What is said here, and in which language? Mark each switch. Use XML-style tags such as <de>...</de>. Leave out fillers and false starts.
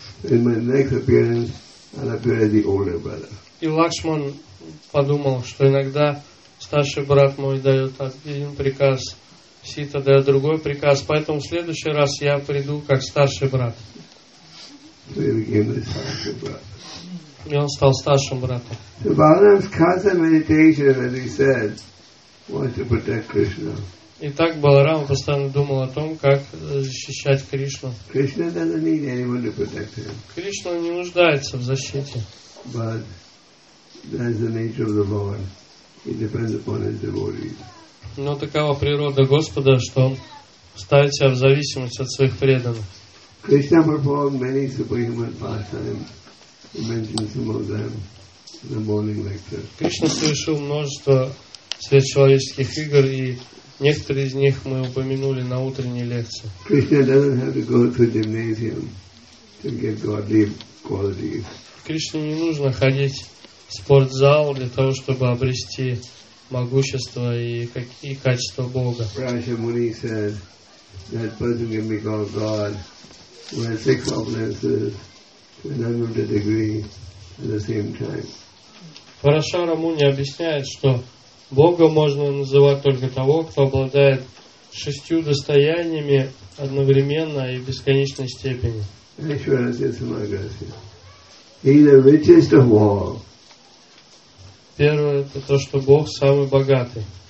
<en>In my next appearance, I'll appear as the older brother.</en> <ru>И Лакшман подумал, что иногда старший брат мой дает один приказ, Сита дает другой приказ, поэтому в следующий раз я приду как старший брат.</ru> <en>So he became the starship brother.</en> <ru>И он стал старшим братом.</ru> <en>So Balaram's constant meditation, as he said, was to protect Krishna.</en> <ru>И так Баларам постоянно думал о том, как защищать Кришну.</ru> <en>Krishna doesn't need anyone to protect him.</en> <ru>Кришна не нуждается в защите.</ru> <en>But that's the nature of the Lord. He depends upon his devotees.</en> <ru>Но такова природа Господа, что он ставит себя в зависимость от своих преданных.</ru> <en>Krishna performed many superhuman pastimes. He mentioned some of them in the morning lecture.</en> <ru>Кришна совершил множество сверхчеловеческих игр, и некоторые из них мы упомянули на утренней лекции.</ru> <en>Krishna doesn't have to go to gymnasium</en> <ru>Кришне не нужно ходить в спортзал для того, чтобы обрести могущество и какие качества Бога.</ru> <en>Раджа Муни said that person can be called God when six opulences and unlimited degree at the same time.</en> <ru>Парашара Муни объясняет, что Бога можно называть только того, кто обладает шестью достояниями одновременно и в бесконечной степени. Первое, это то, что Бог самый богатый.</ru>